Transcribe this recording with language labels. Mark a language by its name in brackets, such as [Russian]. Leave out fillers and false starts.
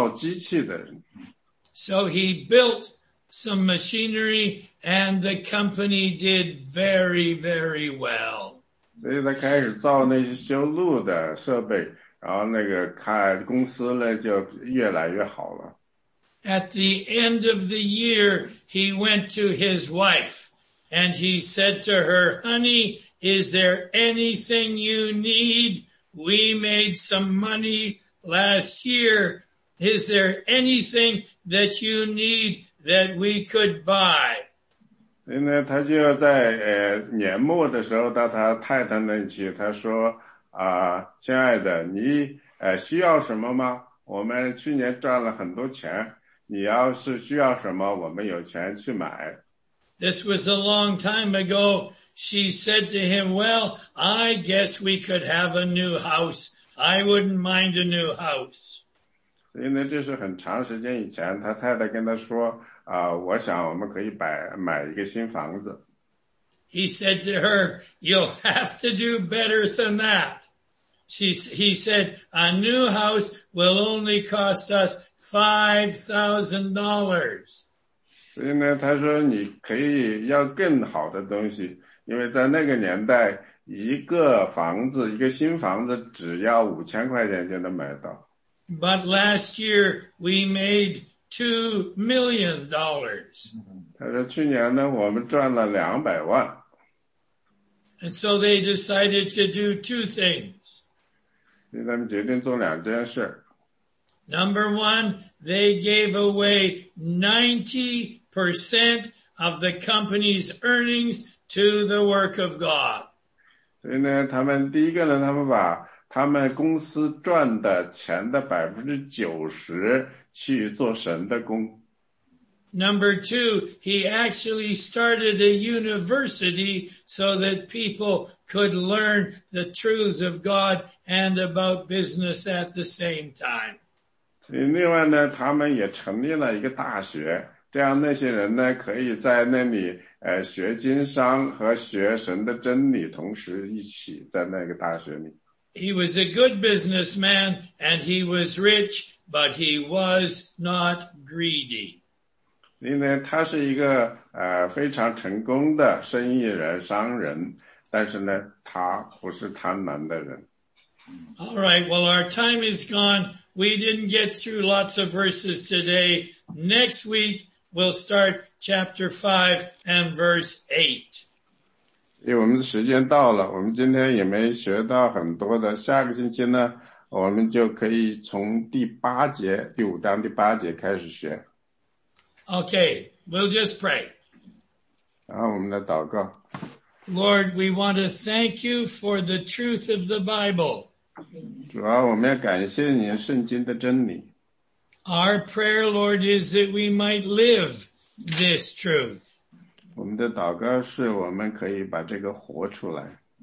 [Chinese] 所以呢，他就想呢，也许呢，神不想让我去做一个修路的那些人，也想要我去做一个造机器的人。 [English] So he built some machinery, and the company did very, very well. [Chinese] 所以他开始造那些修路的设备，然后那个开公司呢就越来越好了。 [English] At the end of the year, he went to his wife, and he said to her, honey, is there anything you need? We made some money last year. Is there anything that you need that we could buy? [Chinese] 然后呢，他就在年末的时候到他太太那里去，他说，亲爱的，你需要什么吗？我们去年赚了很多钱。 [English] This was a long time ago. She said to him, well, I guess we could have a new house. I wouldn't mind a new house. [Chinese] 所以呢，这是很长时间以前他太太跟他说，我想我们可以买一个新房子。 [English] He said to her, you'll have to do better than that. He said, a new house will only cost us $5,000. [Chinese] 所以呢，他说你可以要更好的东西，因为在那个年代，一个房子，一个新房子只要5000块钱就能买到。 [English] But last year, we made $2 million. [Chinese] 他说去年呢，我们赚了200万。 [English] And so they decided to do two things. [Chinese] 所以他们决定做两件事。 [English] Number one, they gave away 90% of the company's earnings to the work of God. [Chinese] 所以呢，他们第一个呢，他们把他们公司赚的钱的90%去做神的工。 [English] Number two, he actually started a university so that people could learn the truths of God and about business at the same time. [Chinese] 另外呢，他们也成立了一个大学，这样那些人呢，可以在那里学经商和学神的真理，同时一起在那个大学里。 [English] He was a good businessman and he was rich, but he was not greedy. [Chinese] 因为他是一个非常成功的生意人、商人，但是呢，他不是贪婪的人。 [English] All right, well, our time is gone. We didn't get through lots of verses today. Next week, we'll start chapter 5 and verse 8. [Chinese] 因为我们的时间到了，我们今天也没学到很多的，下个星期呢，我们就可以从第五章第八节开始学。 [English] Okay, we'll just pray. [Chinese] 然后我们来祷告。 [English] Lord, we want to thank you for the truth of the Bible. [Chinese] 主啊，我们要感谢你圣经的真理。 [English] Our prayer, Lord, is that we might live this truth. [Chinese] 我们的祷告是我们可以把这个活出来。